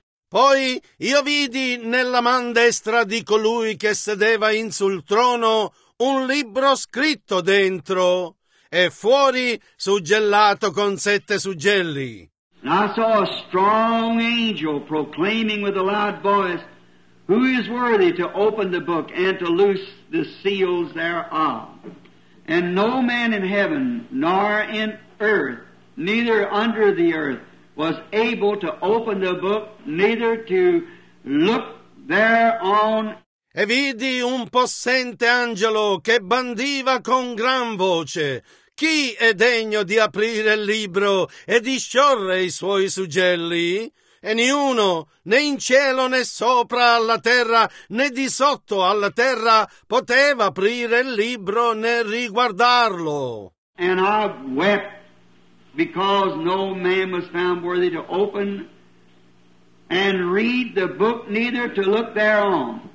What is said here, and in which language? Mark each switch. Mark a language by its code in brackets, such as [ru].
[it] Poi io vidi nella man destra di colui che sedeva in sul trono un libro scritto dentro e fuori suggellato con sette suggelli. [en] And I saw a strong angel proclaiming with a loud voice, "Who is worthy to open the book and to loose the seals thereof?" And no man in heaven, nor in earth, neither under the earth, was able to open the book, neither to look thereon. [it] E vidi un possente angelo che bandiva con gran voce, "Chi è degno di aprire il libro e di sciorre i suoi suggelli? E niuno, né in cielo, né sopra alla terra, né di sotto alla terra, poteva aprire il libro né riguardarlo." [en] And I wept because no man was found worthy to open and read the book, neither to look thereon.